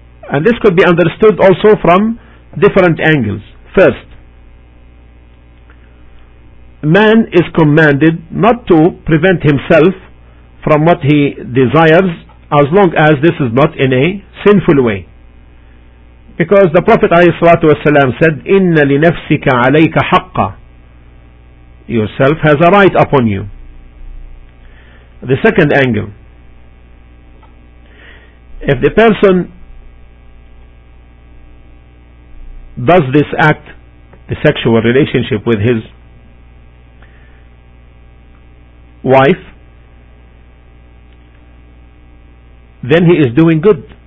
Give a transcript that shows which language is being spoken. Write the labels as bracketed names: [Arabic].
[English] And this could be understood also from different angles. First, man is commanded not to prevent himself from what he desires, as long as this is not in a sinful way. Because the Prophet [Arabic] عليه الصلاة والسلام [English] said, [Arabic] إِنَّ لِنَفْسِكَ عَلَيْكَ حَقَّ. [English] Yourself has a right upon you. The second angle, if the person does this act, the sexual relationship with his wife, then he is doing good.